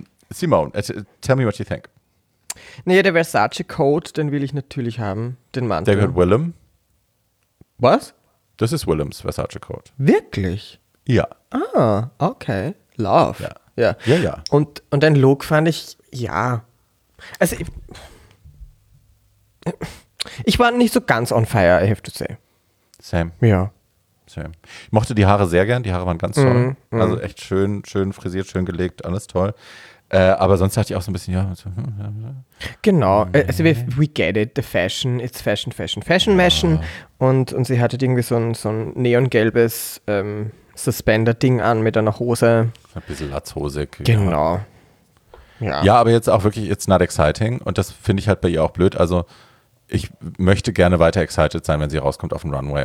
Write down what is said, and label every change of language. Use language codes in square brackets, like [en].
[en] Simone, tell me what you think. [de] Naja, der Versace-Code, den will ich natürlich haben, den Mantel. Der gehört Willem. Was? Das ist Willems Versace-Code. Wirklich? Ja. Ah, okay. Love. Ja, ja. Ja. Und dein Look fand ich, ja. Also, ich war nicht so ganz [en] on fire, I have to say. Same. [de] Ja. [en] Same. [de] Ich mochte die Haare sehr gern, die Haare waren ganz toll. Mm. Also echt schön, schön frisiert, schön gelegt, alles toll. Aber sonst dachte ich auch so ein bisschen, ja. [en] Genau, also we get it, the fashion, it's fashion, fashion, fashion, fashion. [de] Und sie hatte irgendwie so ein neongelbes Suspender-Ding an mit einer Hose. Ein bisschen latzhosig. Genau. Ja. Ja, aber jetzt auch wirklich, [en] it's not exciting. [de] Und das finde ich halt bei ihr auch blöd. Also ich möchte gerne weiter excited sein, wenn sie rauskommt auf den Runway.